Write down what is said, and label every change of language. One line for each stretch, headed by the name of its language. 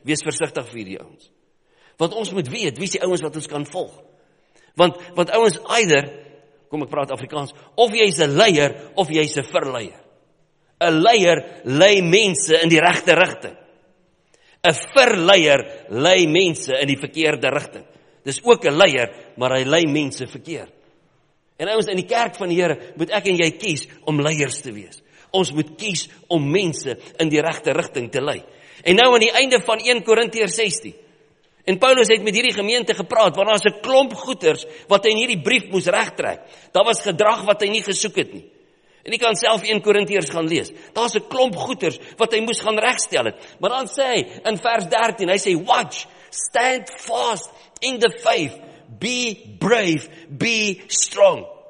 Afrikaans: Wees versigtig vir hierdie ouens. Want ons moet weet, wie is die ouens wat ons kan volg. Want ouens, either, kom ek praat Afrikaans, of jy is een leier, of jy is een verleier. Een leier lei mense in die regte rigting. Een verleier lei mense in die verkeerde rigting. Dis ook een leier, maar hy lei mense verkeerd. En ons in die kerk van die Here moet ek en jy kies om leiers te wees. Ons moet kies om mense in die regte rigting te lei. En nou aan die einde van 1 Korintiërs 16. En Paulus het met hierdie gemeente gepraat, want daar is 'n klomp goeters wat hy in hierdie brief moes regtrek. Daar was gedrag wat hy nie gesoek het nie. En jy kan self 1 Korintiërs gaan lees. Daar is 'n klomp goeters wat hy moes gaan regstel het. Maar dan sê hy in vers 13, hy sê,
English: watch, stand fast in the faith, be brave, be strong.